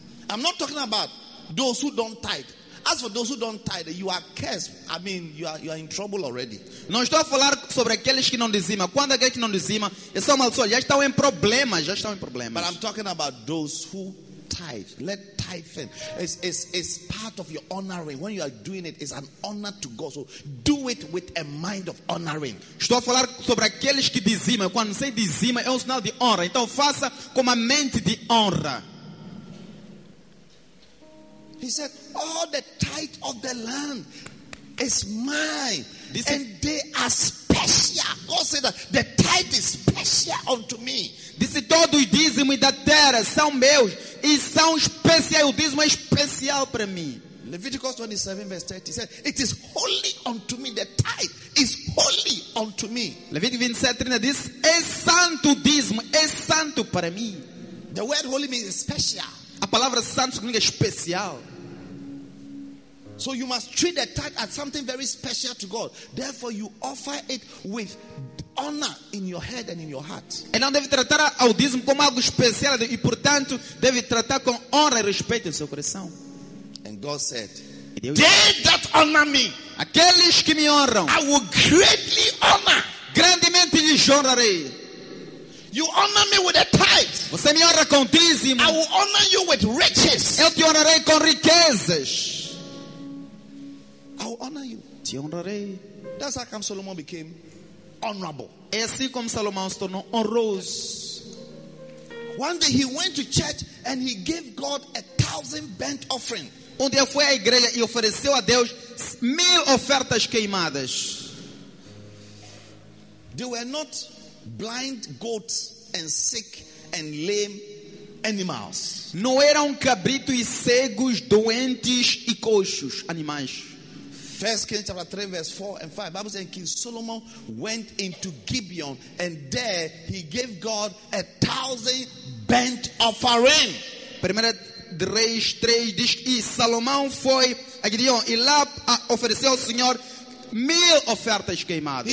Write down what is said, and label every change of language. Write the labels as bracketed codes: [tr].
[en] I'm not talking about those who don't tithe. As for those who don't tithe, you are cursed. I mean, you are in trouble already. [pt] Não estou a falar sobre aqueles que não dizimam. Quando aqueles que não dizimam, eles são maldiçoados. Já estão em problemas. Já estão em problemas. [en] But I'm talking about those who tithe. Let tithe in. It's part of your honoring. When you are doing it, it's an honor to God. So do it with a mind of honoring. [pt] Estou a falar sobre aqueles que dizimam. Quando você dizima, é um sinal de honra. Então faça com uma mente de honra. [en] He said, all the tithe of the land is mine. This and is, they are special. God said that the tithe is special unto me. [pt] Disse, todo o dízimo da terra são meus e são especiais. O dízimo é especial para mim. [en] Leviticus 27, verse 30 says, it is holy unto me. The tithe is holy unto me. [pt] Leviticus 27, 30 diz, é santo o dízimo, é santo para mim. [en] The word holy means special. [pt] A palavra santo significa especial. [en] So you must treat the tithe as something very special to God. Therefore you offer it with honor in your head and in your heart. [pt] E não deve tratar o dízimo como algo especial e portanto deve tratar com honra e respeito em seu coração. [en] And God said, they that honor me, [pt] aqueles que me honram, [en] I will greatly honor, [pt] grandemente lhes honrarei. [en] You honor me with a tithe. [pt] Você me honra com dízimo. [en] I will honor you with riches. [pt] Eu te honrarei com riquezas. [en] I will honor you. [pt] Te honrarei. [en] That's how come Solomon became honorable. [pt] É assim como Salomão se tornou honroso. [en] One day he went to church and he gave God 1,000 burnt offering. [pt] Um dia foi à igreja e ofereceu a Deus 1,000 ofertas queimadas. [en] They were not blind goats and sick and lame animals. [pt] Não eram cabrito e cegos, doentes e coxos, animais. [en] 1 Kings chapter 3 verse 4 and 5. Bible says King Solomon went into Gibeon and there he gave God 1,000 burnt offering. [pt] 1 Reis 3 diz que Salomão foi a Gibeon e lá ofereceu ao Senhor 1,000 ofertas queimadas.